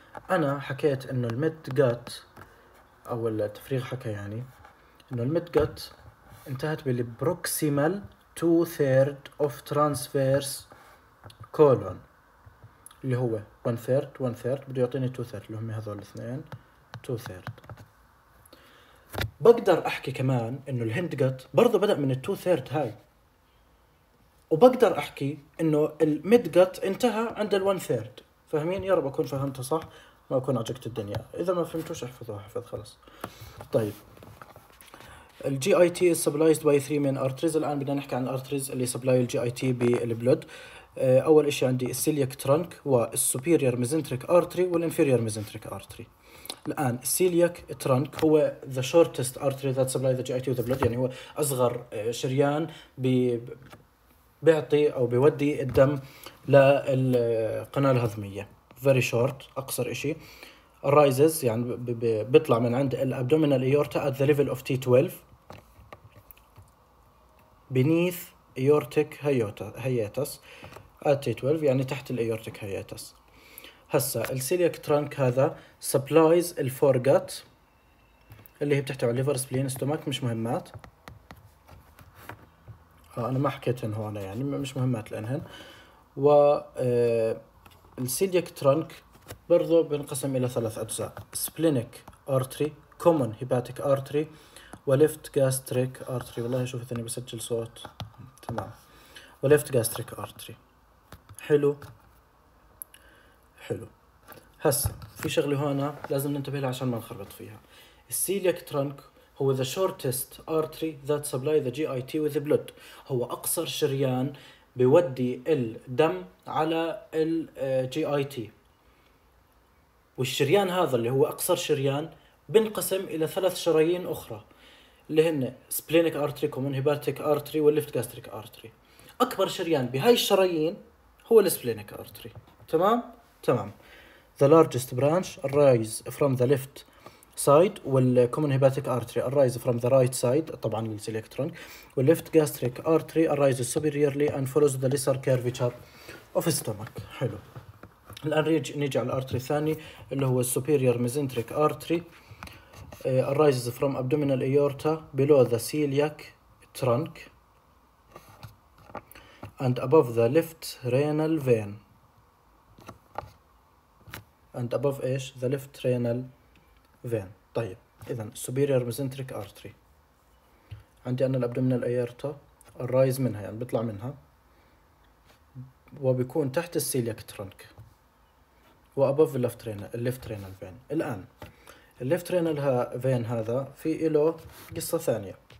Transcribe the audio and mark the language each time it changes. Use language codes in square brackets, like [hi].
[ar] انا حكيت انه الميد جت او التفريغ حكى يعني انه الميد جت انتهت بالبروكسيمال [en] 2/3 of transverse colon [ar] اللي هو 1/3 1/3، بده يعطيني 2/3 اللي هم هذول الاثنين 2/3. بقدر احكي كمان انه الهند جت برضه بدا من ال 2/3 هاي، وبقدر احكي انه الميد جت انتهى عند ال 1/3. فاهمين؟ يا رب اكون فهمته صح، ما اكون عجقت الدنيا. اذا ما فهمتوش احفظوها، احفظ خلص. طيب الـ [en] GIT is supplied by 3 main arteries. [ar] الآن بدنا نحكي عن الـ arteries اللي supply الـ GIT بالبلود. أول إشي عندي الـ celiac trunk والـ superior mesenteric artery والـ inferior mesenteric artery. الآن السيلياك ترانك هو [en] the shortest artery that supplies the GIT with the blood، [ar] يعني هو أصغر شريان بيعطي أو بيودي الدم للقناة الهضمية، [en] very short [ar] أقصر إشي. rises يعني بيطلع من عند الابدومينال ايورتا [en] at the level of T12 beneath aortic hiatus at T12، [ar] يعني تحت الايورتيك هياتس. هسا السيلياك ترانك هذا supplies الفورغات اللي هي بتحتوي على ليفر سبلين ستومك، مش مهمات انا ما حكيتهن هون يعني مش مهمات لانهن. و السيلياك ترانك برضو بنقسم الى ثلاث اجزاء، splenic artery common hepatic artery وليفت gastric artery. والله شوف اني بسجل صوت تمام. وليفت gastric artery حلو حلو. هسه في شغله هون لازم ننتبه لها عشان ما نخربط فيها. السيلياك ترانك هو [en] the shortest artery that supply the GIT with the blood، [ar] هو اقصر شريان بيودي الدم على ال GIT. والشريان هذا اللي هو اقصر شريان بنقسم الى ثلاث شرايين اخرى اللي هن splenic artery common hepatic artery والليفت gastric artery. اكبر شريان بهاي الشرايين هو splenic artery. تمام تمام. [en] the largest branch arises from the left side والcommon hepatic artery arises from the right side [ar] طبعا السيلياك ترانك. [en] والليفت gastric artery arises superiorly and follows the lesser curvature of stomach. [ar] حلو. الآن نيجي على الأرتري الثاني اللي هو [en] superior mesenteric artery arises from abdominal aorta below the celiac trunk and above the left renal vein and above [ar] إيش [en] the left renal vein. [ar] طيب إذن superior mesenteric artery عندي أنا الabdominal aorta arise منها يعني بطلع منها وبيكون تحت celiac trunk وأبوف الليفت رينال فين. الآن الليفت رينال فين هذا في إله قصة ثانية.